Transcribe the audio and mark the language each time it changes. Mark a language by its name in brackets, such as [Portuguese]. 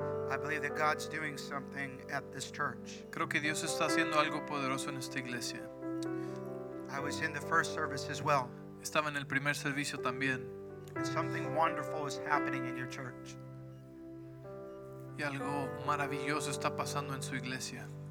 [English] I believe that God's doing something at this church. [Spanish] Creo que Dios está haciendo algo poderoso en esta iglesia. [English] I was in the first service as well. [Spanish] Estaba en el primer servicio también. [English] And something wonderful is happening in your church. [Spanish] Y algo maravilloso está pasando en su iglesia.